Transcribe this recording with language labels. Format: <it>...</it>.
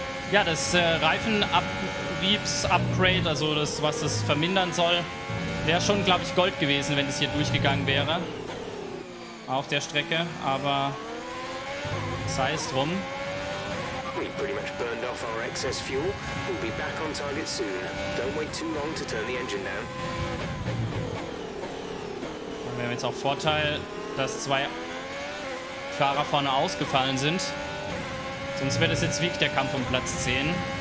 <de>Ja, das Reifenabriebs-Upgrade, also das, was das vermindern soll, wäre schon, glaube ich, Gold gewesen, wenn es hier durchgegangen wäre. Auf der Strecke, aber sei es drum.</de> <en>We pretty much burned off our excess fuel. We'll be back on target soon. Don't wait too long to turn the engine down.</en> <de>Wir haben jetzt auch Vorteil, dass zwei Fahrer vorne ausgefallen sind. Sonst wäre das jetzt wirklich der Kampf um Platz 10.</de>